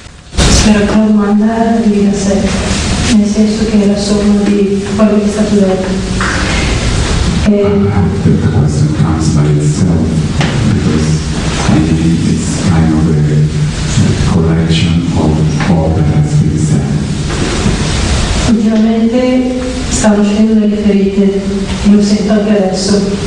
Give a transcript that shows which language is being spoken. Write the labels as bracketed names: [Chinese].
[Italian] Spero che la domanda arrivi da sé, nel senso che la somma di quello che è stato detto. [English] The question comes by itself, because I believe it's kind of a collection of all that has been said. [Italian] Ultimamente stanno uscendo delle ferite, lo sento anche adesso.